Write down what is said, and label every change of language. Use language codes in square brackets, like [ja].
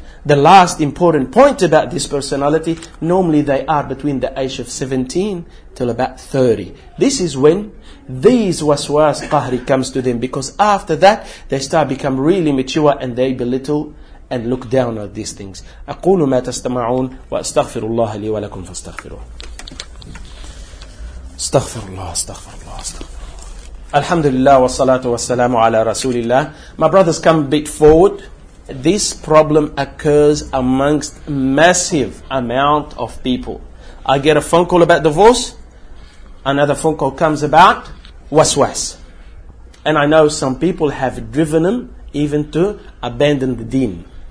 [en] The last important point about this personality, normally they are between the age of 17 till about 30. This is when these waswas qahri comes to them, because after that they start become really mature and they belittle and look down at these things. [ar] أقول ما تستمعون وأستغفر الله لي ولكم فاستغفروه. استغفر الله استغفر الله استغفر الله. الحمد لله والصلاة والسلام على رسول الله. [en] My brothers, come a bit forward. This problem occurs amongst massive amount of people. I get a phone call about divorce. Another phone call comes about waswas. And I know some people have driven them even to abandon the deen.